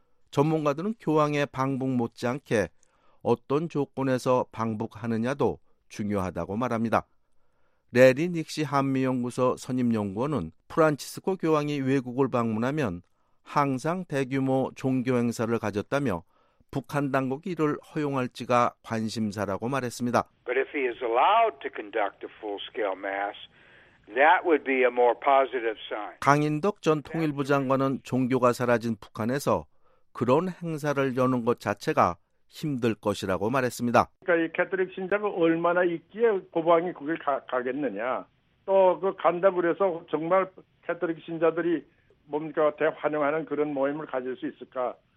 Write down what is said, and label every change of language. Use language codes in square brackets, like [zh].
[ko] 전문가들은 교황의 방북 못지않게 어떤 조건에서 방북하느냐도 중요하다고 말합니다. 래리 닉시 한미연구소 선임연구원은 프란치스코 교황이 외국을 방문하면 항상 대규모 종교 행사를 가졌다며 북한 당국이 이를 허용할지가 관심사라고 말했습니다. [en] But if he is allowed to conduct a full-scale mass, that would be a more positive sign. [ko] 강인덕 전 통일부 장관은 종교가 사라진 북한에서 그런 행사를 여는 것 자체가 힘들 것이라고 말했습니다. 그러니까 이 캐토릭 신자가 얼마나 있기에 고방이 거길 가겠느냐. 또 그 간다 그래서 정말 캐토릭 신자들이 뭡니까 대환영하는 그런 모임을 가질 수 있을까?